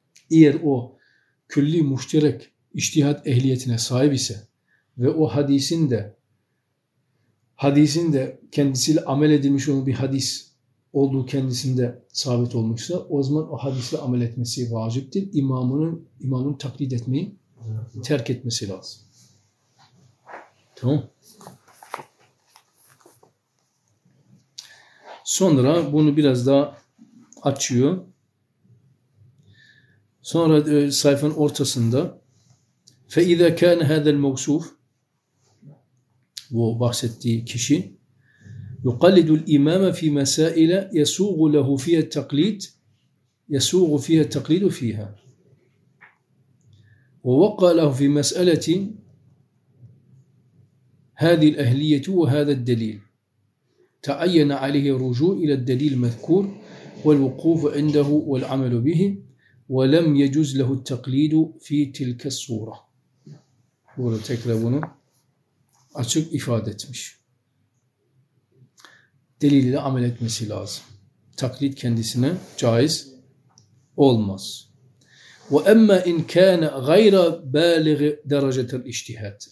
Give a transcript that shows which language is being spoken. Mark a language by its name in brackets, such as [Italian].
[Turkish] Eğer o külli muşterek içtihat ehliyetine sahip ise ve o hadisin de kendisiyle amel edilmiş olan bir hadis olduğu kendisinde sabit olmuşsa, o zaman o hadisle amel etmesi vaciptir. İmamın taklit etmeyi terk etmesi lazım. Tamam. Sonra bunu biraz daha açıyor. Sonra sayfanın ortasında [Arabic] فَاِذَا كَانَ هَذَا الْمَوْسُوفُ [Turkish] bu bahsettiği kişi [Arabic] يُقَلِّدُ الْاِمَامَ فِي مَسَائِلَ يَسُوغُ لَهُ فِيهَا التَّقْلِيدُ يَسُوغُ فِيهَا التَّقْلِيدُ فِيهَا وَوَقَّى لَهُ فِي مَسْأَلَةٍ هَذِي الْاَهْلِيَّةُ وَهَذَا الدَّلِيلُ تَعَيَّنَ عَلَيْهِ الرُّجُوعُ إِلَى الدَّلِيلِ الْمَذْكُورِ وَالْوُقُوفُ عِنْدَهُ وَالْعَمَلُ بِهِ وَلَمْ يَجُزْ لَهُ التَّقْلِيدُ فِي تِلْكَ السُّورَةِ. [Turkish] Burada tekrar bunu açık ifade etmiş. Delille amel etmesi lazım. Taklit kendisine caiz olmaz. [Arabic] وَاَمَّا اِنْ كَانَ غَيْرَ بَالِغِ دَرَجَةَ الْاِجْتِهَاتِ.